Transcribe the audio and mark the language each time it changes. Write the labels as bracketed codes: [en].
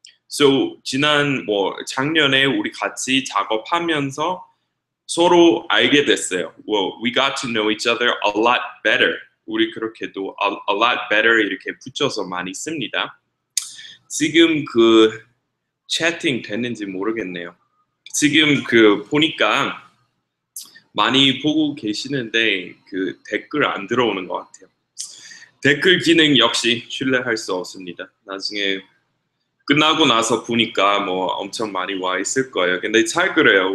[ko] So 지난 뭐 작년에 우리 같이 작업하면서 서로 알게 됐어요. [en] Well, we got to know each other a lot better. [ko] 우리 그렇게도 [en] a lot better [ko] 이렇게 붙여서 많이 씁니다. 지금 그 채팅 됐는지 모르겠네요. 지금 그 보니까 많이 보고 계시는데 그 댓글 안 들어오는 것 같아요. 댓글 기능 역시 신뢰할 수 없습니다. 나중에 끝나고 나서 보니까 뭐 엄청 많이 와 있을 거예요. 근데 잘 그래요.